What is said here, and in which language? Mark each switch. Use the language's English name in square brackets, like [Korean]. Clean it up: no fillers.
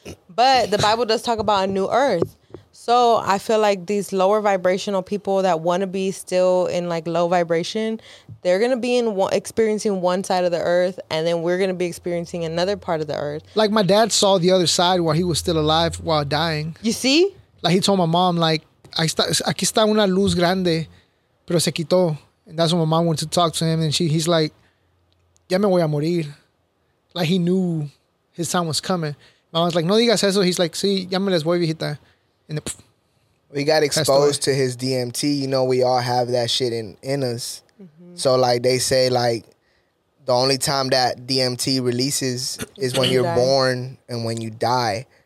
[English] But the Bible does talk about a new earth. So I feel like these lower vibrational people that want to be still in like low vibration, they're going to be experiencing one side of the earth and then we're going to be experiencing another part of the earth. Like my dad saw the other side while he was still alive while dying. You see? Like he told my mom, like, [Spanish] aquí está una luz grande, pero se quitó. [English] And that's when my mom went to talk to him and he's like, [Spanish] ya me voy a morir. [English] Like he knew his time was coming. My mom's like, [Spanish] no digas eso. [English] He's like, [Spanish] sí, ya me les voy, viejita. [English] And we got exposed to his DMT. You know, we all have that shit in us. Mm-hmm. So, like, they say, like, the only time that DMT releases is when you're born and when you die.